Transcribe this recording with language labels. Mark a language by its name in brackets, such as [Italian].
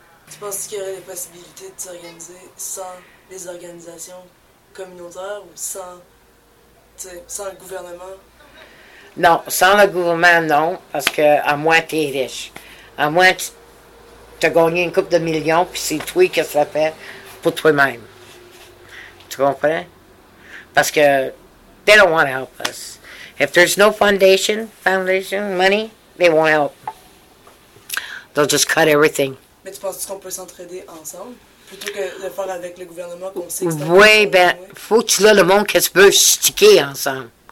[French] Tu penses qu'il y aurait des possibilités de s'organiser sans les organisations communautaires ou sans, tu sais, sans le gouvernement? Non, sans le gouvernement, non, parce que à moins que tu es riche. À moins que tu as gagné une couple de millions, puis c'est toi qui as fait pour toi-même. Tu comprends? [English] Parce que they don't want to help us. If there's no foundation, money, they won't help. They'll just cut everything. [French] Mais tu penses qu'on peut s'entraider ensemble plutôt que de faire avec le gouvernement qu'on sait que c'est un peu. Oui, ben, faut que tu l'as le monde que tu peux stiquer ensemble.